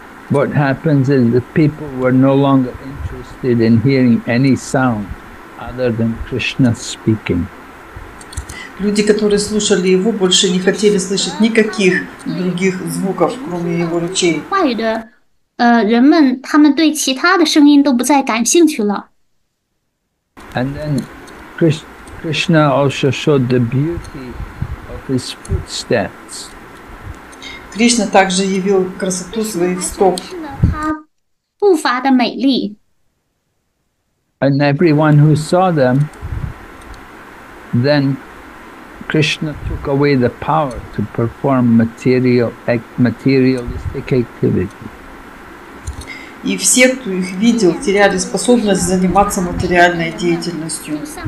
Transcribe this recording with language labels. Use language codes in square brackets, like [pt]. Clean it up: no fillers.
[en] What happens is the people were no longer interested in hearing any sound other than Krishna speaking. [ru] Люди, которые слушали его, больше не хотели слышать никаких других звуков, кроме его речей. [zh] 人们他们对其他的声音都不再感兴趣了。 [en] And then Krishna also showed the beauty of his footsteps. [ru] Krishna также явил красоту своих стоп. [zh] 他步伐的美丽。 [en] And everyone who saw them, then Krishna took away the power to perform materialistic activity. [ru] И все, кто их видел, теряли способность заниматься материальной деятельностью.